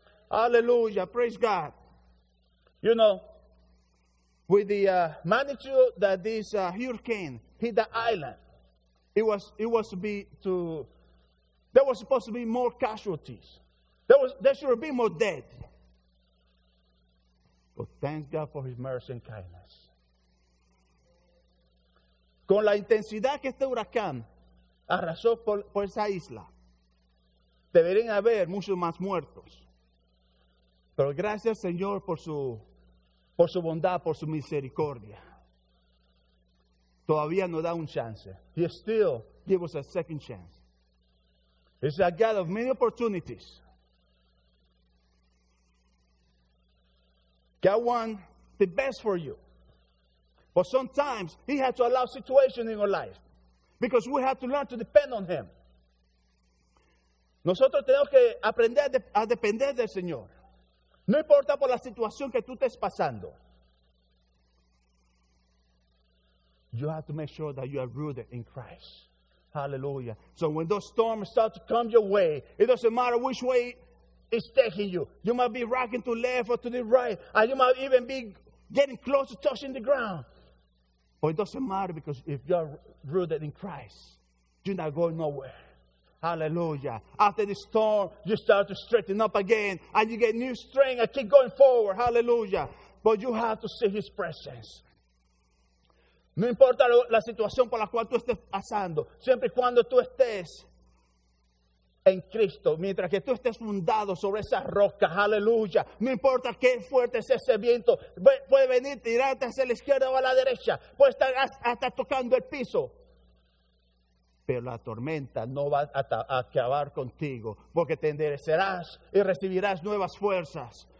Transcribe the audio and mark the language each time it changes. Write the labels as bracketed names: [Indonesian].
[English] Hallelujah. Praise God. You know, with the magnitude that this hurricane hit the island, there was supposed to be more casualties. There should have been more dead. But thank God for His mercy and kindness. [Spanish] Con la intensidad que este huracán arrasó por esa isla, deberían haber muchos más muertos. Pero gracias, Señor, por su bondad, por su misericordia. Todavía nos da un chance. [English] He still gives us a second chance. It's a God of many opportunities. God wants the best for you. But sometimes He has to allow situations in your life. Because we have to learn to depend on Him. [Spanish] Nosotros tenemos que aprender a depender del Señor. No importa por la situación que tú estés pasando. [English] You have to make sure that you are rooted in Christ. Hallelujah. So when those storms start to come your way, it doesn't matter which way it's taking you. You might be rocking to left or to the right. And you might even be getting close to touching the ground. But it doesn't matter, because if you're rooted in Christ, you're not going nowhere. Hallelujah. After the storm, you start to straighten up again. And you get new strength and keep going forward. Hallelujah. But you have to see His presence. [Spanish] No importa la situación por la cual tú estés pasando, siempre y cuando tú estés en Cristo, mientras que tú estés fundado sobre esa roca, aleluya, no importa qué fuerte es ese viento, puede venir tirarte hacia la izquierda o a la derecha, puede estar hasta tocando el piso, pero la tormenta no va a acabar contigo, porque te enderezarás y recibirás nuevas fuerzas.